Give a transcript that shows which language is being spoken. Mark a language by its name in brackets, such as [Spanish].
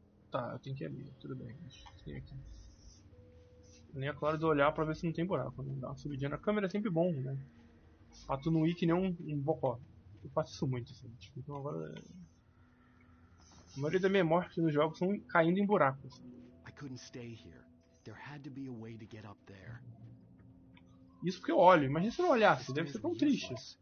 [Portuguese] Tá, eu tenho que abrir, tudo bem. Tem aqui. Nem é claro de olhar pra ver se não tem buraco. Né? Dá uma subidinha na câmera é sempre bom, né? Pra tu não ir que nem um bocó. Eu faço isso muito, assim. Tipo, então agora. A maioria das minhas mortes nos jogos são caindo em buracos. [English] Assim. I couldn't stay here. There had to be a way to get up there. [Portuguese] Isso porque eu olho, imagina se eu não olhasse, deve ser tão triste.